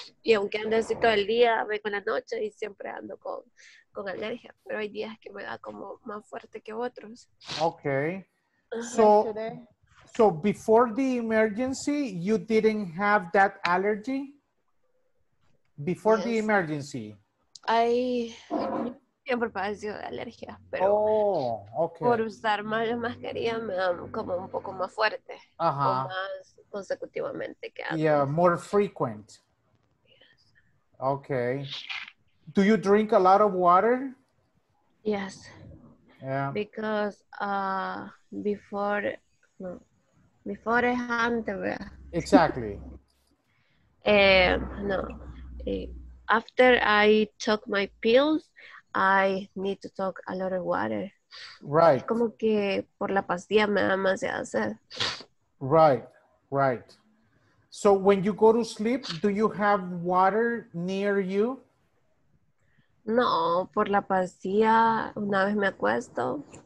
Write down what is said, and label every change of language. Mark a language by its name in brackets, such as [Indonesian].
[Spanish] Y aunque ando así todo el día, vengo en la noche y siempre ando con alergia. Pero hay días que me da como más fuerte que otros. [English] Okay. So... So before the emergency, you didn't have that allergy? Before the emergency? [Spanish] I siempre padecido de alergia, pero por usar más la mascarilla me da como un poco más fuerte. Ajá. O más consecutivamente que antes. [English] Yeah, more frequent. Okay. Do you drink a lot of water? Yes. Yeah. Because before... No. Before I had exactly. No. After I took my pills, I need to take a lot of water. Right. [Spanish] Es como que por la pastilla me da más de hacer. [English] Right, right. So when you go to sleep, do you have water near you? [Spanish] No, por la pastilla una vez me acuesto.